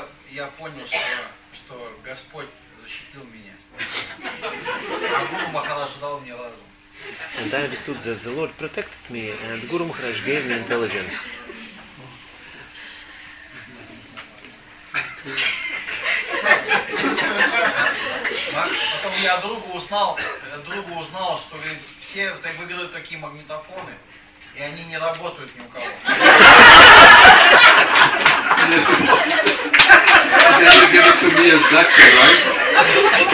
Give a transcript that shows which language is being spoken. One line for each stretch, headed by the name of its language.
Russian: Я понял, что Господь защитил меня. А Гуру Махарадж дал мне разум.
English: And I understood that the Lord protected me and Guru Maharaj gave me intelligence.
Russian: Потом я другу узнал, что все выиграют такие магнитофоны, и они не работают ни у кого.
English: Then you give it to me as Daksha, right?